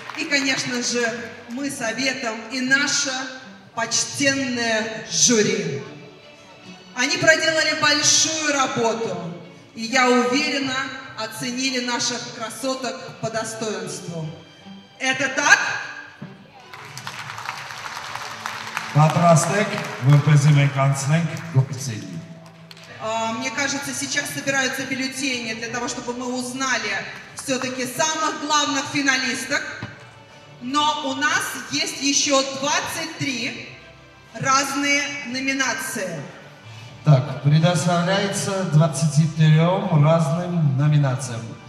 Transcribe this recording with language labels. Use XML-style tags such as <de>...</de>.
<ru>И, конечно же, мы советом и наше почтенное жюри. Они проделали большую работу. И я уверена, оценили наших красоток по достоинству. Это так?</ru> <hy>Պատրաստեք, որպեսզի մենք անցնենք գործերի.</hy> <ru>Мне кажется, сейчас собираются бюллетени для того, чтобы мы узнали все-таки самых главных финалисток. Но у нас есть еще 23 разные номинации. Так, предоставляется 23 разным номинациям.</ru>